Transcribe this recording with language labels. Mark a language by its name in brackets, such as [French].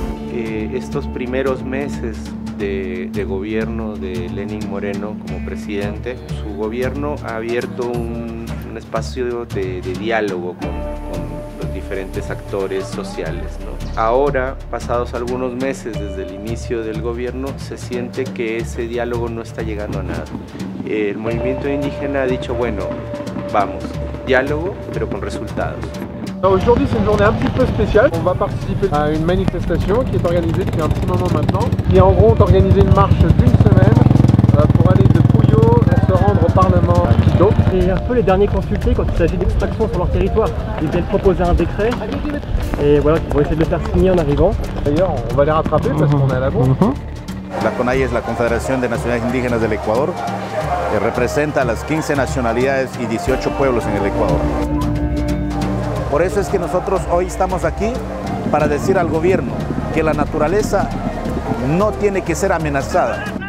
[Spanish] Estos primeros meses de gobierno de Lenín Moreno como presidente, su gobierno ha abierto un espacio de diálogo con los diferentes actores sociales, ¿no? Ahora, pasados algunos meses desde el inicio del gobierno, se siente que ese diálogo no está llegando a nada. El movimiento indígena ha dicho, bueno, vamos, diálogo, pero con resultados. [French] Aujourd'hui c'est une journée un petit peu spéciale. On va participer à une manifestation qui est organisée depuis un petit moment maintenant. Et en gros, on va organiser une marche d'une semaine pour aller de Puyo pour se rendre au Parlement à Quito. C'est un peu les derniers consultés quand il s'agit d'extraction sur leur territoire. Ils viennent proposer un décret et voilà, ils vont essayer de le faire signer en arrivant. D'ailleurs, on va les rattraper parce qu'on est à la bourse. [Spanish] La CONAIE es la Confederación de Nacionalidades Indígenas del Ecuador, que representa a las 15 nacionalidades y 18 pueblos en el Ecuador. Por eso es que nosotros hoy estamos aquí para decir al gobierno que la naturaleza no tiene que ser amenazada.